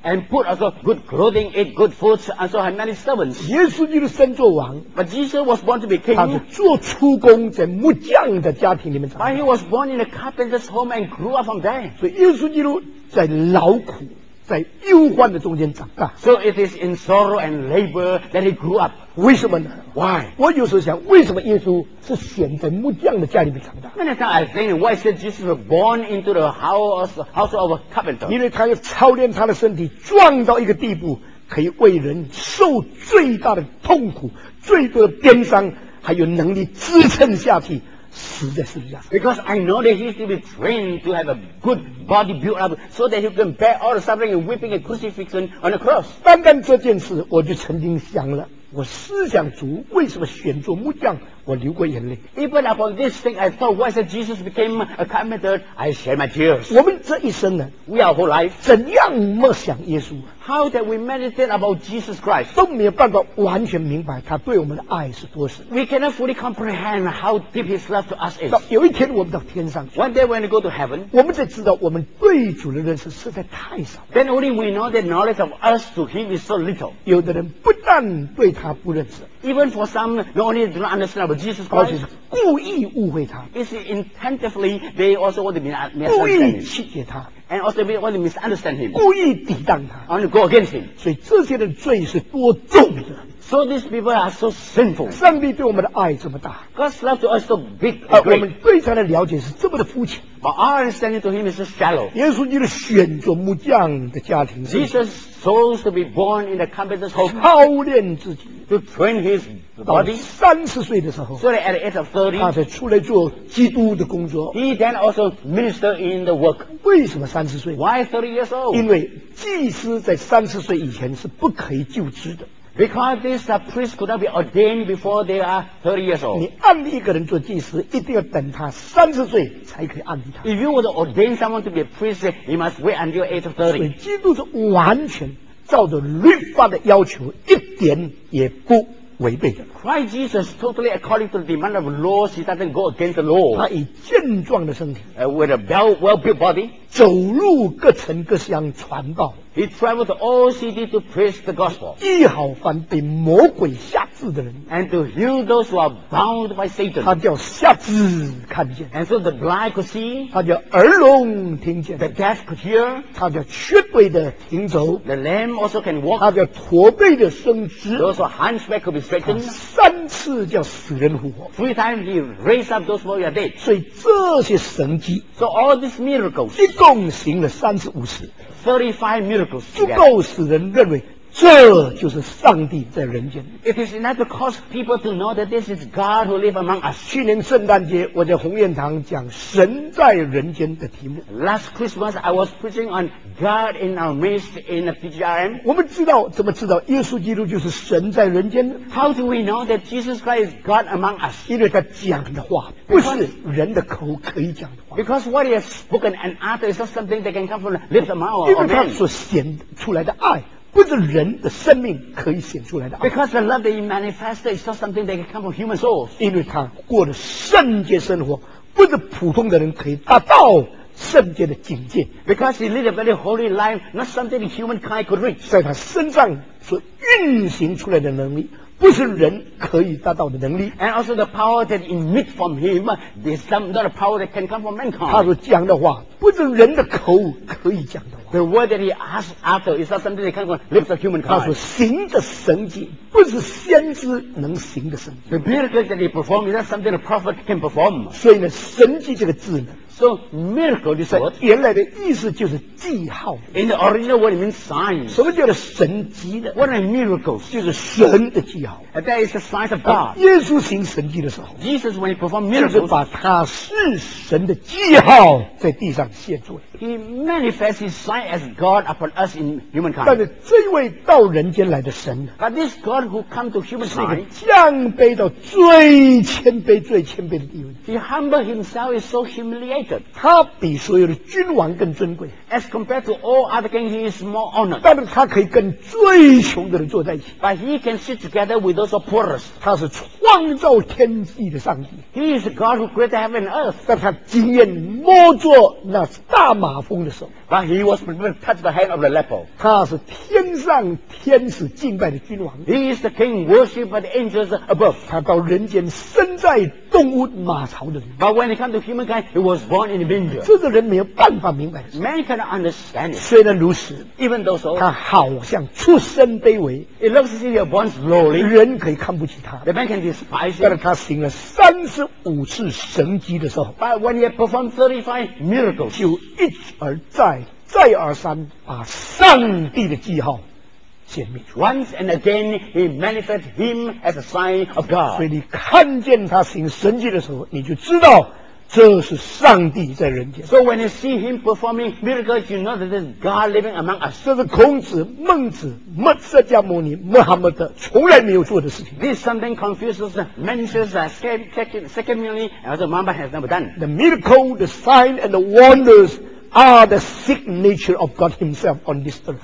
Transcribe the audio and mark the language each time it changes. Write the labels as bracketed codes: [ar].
[en] And put also good clothing, eat good food, and so had many servants. [zh] 耶稣基督生作王。 [en] But Jesus was born to be king. [zh] 他是做出工，在木匠的家庭里面长大。 [en] But he was born in a carpenter's home and grew up from there. [zh] 所以耶稣基督在劳苦。在忧患的中间长大 [en] So it is in sorrow and labor that he grew up [zh] 为什么呢 [en] Why [zh] 我有时候想为什么耶稣是选在木匠的家里面长大 [en] Many times I think why is Jesus born into the house of a carpenter [zh] 因为他要操练他的身体壮到一个地步可以为人受最大的痛苦最多的鞭伤还有能力支撑下去 [en] Because I know that he is to be trained to have a good body built up so that he can bear all the suffering and whipping and crucifixion on the cross. [zh] 单单这件事我就曾经想了我思想主为什么选做木匠我流过眼泪 [en] Even upon this thing I thought why Jesus became a carpenter I shed my tears [zh] 我们这一生呢 [en] We our whole life [zh] 怎样默想耶稣 [en] How that we meditate about Jesus Christ [zh] 都没有办法完全明白他对我们的爱是多深 [en] We cannot fully comprehend how deep his love to us is [zh] 有一天我们到天上 [en] One day when we go to heaven [zh] 我们才知道我们对主的认识实在太少 [en] Then only we know the knowledge of us to him is so little [zh] 有的人不但对他不认识 [en] Even for some not only do not understand aboutJesus Christ, [zh] 而且是故意误会他 [en] It's intentively they also want to misunderstand him [zh] 故意气解他 [en] And also they want to misunderstand him [zh] 故意抵挡他 [en] And go against him [zh] 所以这些的罪是多重的 [en] So these people are so sinful [zh] 上帝对我们的爱这么大 [en] God's love to us so big and great [zh] 我们对他的了解是这么的肤浅 [en] But our understanding to him is so shallow [zh] 耶稣基督选择木匠的家庭 [en] Jesus chose to be born in a carpenter's home [zh] 操练自己 [en] To train his body [zh] 到三十岁的时候 [en] so at the age of 30, [zh] 他才出来做基督的工作 [en] he then also ministered in the work [zh] 为什么三十岁 [en] why 30 years old [zh] 因为祭司在三十岁以前是不可以就职的 [en] because this priest could not be ordained before they are 30 years old [zh] 你按一个人做祭司一定要等他三十岁才可以按他 [en] if you were to ordain someone to be a priest you must wait until the age of 30 [zh] 所以基督是完全照着律法的要求一点也不违背的。 [en] Christ Jesus totally according to the demand of laws, he doesn't go against the law. [zh] 他以健壮的身体 [en] with a well-built body, [zh] 走入各城各乡传道。 [en] He traveled to all cities to preach the gospel. [zh] 医好凡被魔鬼吓制的人 [en] and to heal those who are bound by Satan. [zh] 他叫瞎子看见 [en] and so the blind could see. [zh] 他叫耳聋听见 [en] the deaf could hear. [zh] 他叫瘸腿的行走 [en] the lame also can walk. [zh] 他叫驼背的伸直 [en] those who are hunchback could be straightened. [zh] 三次叫死人复活 [en] three times he raised up those who are dead. [zh] 所以这些神迹 [en] so all these miracles. [zh] 一共行了三次五次 [en] 35 miracles [zh] 足够使人认为这就是上帝在人间 [en] It is enough to cause people to know that this is God who lives among us [zh] 去年圣诞节我在鸿雁堂讲神在人间的题目 [en] Last Christmas I was preaching on God in our midst in the PGRM [zh] 我们知道怎么知道耶稣基督就是神在人间 [en] How do we know that Jesus Christ is God among us [zh] 因为他讲的话不是人的口可以讲的话 [en] Because what he has spoken and uttered is not something that can come from the lips of man or man [zh] 因为他所显出来的爱不是人的生命可以显出来的 [en] Because the love that he manifested is not something that can come from human souls [zh] 因为他过了圣洁生活不是普通的人可以达到圣洁的境界 [en] Because he lived a very holy life not something that humankind could reach [zh] 在他身上所运行出来的能力不是人可以达到的能力 [en] And also the power that emits from him is not a power that can come from mankind [zh] 他所讲的话不是人的口可以讲的话 [en] The word that he asks after is not something that can come from lips of humankind [zh] 他所行的神迹不是先知能行的神迹 [en] The miracle that he performs is not something a prophet can perform [zh] 所以呢神迹这个字呢 [en] So miracle is what [zh] 原来的意思就是记号 [en] In the original word it means sign [zh] 什么叫做神迹呢 [en] What are miracles [zh] 就是神的记号 [en] And that is the sign of God [zh] 耶稣行神迹的时候 [en] Jesus when he performs miracles [zh] 就是把他是神的记号在地上 [en] He manifests his sign as God upon us in humankind. [zh] 但是这位到人间来的神 [en] But this God who come to humankind [zh] 是一个降卑到最谦卑最谦卑的地位。 [en] He humbled himself is so humiliated. [zh] 他比所有的君王更尊贵。 [en] As compared to all other kings, he is more honored. [zh] 但是他可以跟最穷的人坐在一起。 [en] But he can sit together with those poorest. [zh] 他是创造天地的上帝。 [en] He is the God who created heaven and earth. [zh] 但他经验摸着那大马蜂的手。 [en] But he was permitted to touch the hand of the leper. [zh] 他是天上天使敬拜的君王。 [en] He is the king worshipped by the angels above. [zh] 他到人间身在动物马槽的人。 [en] But when he came to humankind, he was born in a manger. [zh] 这个人没有办法明白的事。 [en] Man cannot understand it. [zh] 虽然如此 [en] even though so, [zh] 他好像出身卑微。 [en] It looks as if he was born lowly. [zh] 人可以看不起他。 [en] The man can despise him. [zh] 但是他行了35次神迹的时候。 [en] But when he performed 35 miracles, [zh] 就一而再再而三把上帝的记号显明出来。 [en] Once and again, he manifested him as a sign of God. [zh] 所以你看见他行神迹的时候，你就知道这是上帝在人间。 [en] So when you see him performing miracles, you know that this is God living among us. [zh] 这是孔子、孟子、墨色迦牟尼、穆罕默德从来没有做的事情。 [en] This is something Confucius mentions secondly, and also Muhammad has never done. The miracle, the sign, and the wonders. Are the signature of God Himself on this earth.